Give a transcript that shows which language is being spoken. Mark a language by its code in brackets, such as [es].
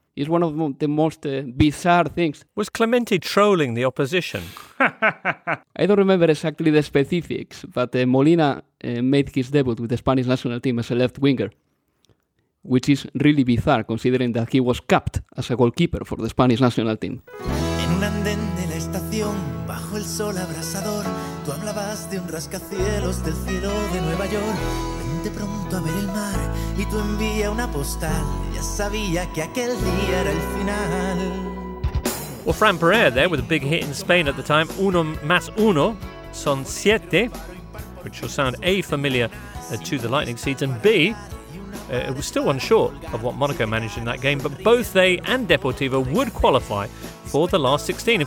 [en] It's one of the most bizarre things. Was Clemente trolling the opposition? I don't remember exactly the specifics, but Molina made his debut with the Spanish national team as a left winger, which is really bizarre considering that he was capped as a goalkeeper for the Spanish national team. [es] En un andén de la estación, bajo el sol abrasador, tú hablabas de un rascacielos del cielo de Nueva York. De pronto a ver el mar y tú envía una postal, ya sabía que aquel día era el final. [en] Well, Fran Pereira there with a big hit in Spain at the time, Uno Más Uno Son Siete, which will sound A, familiar to the Lightning seeds, and B, it was still unsure of what Monaco managed in that game, but both they and Deportivo would qualify for the last 16.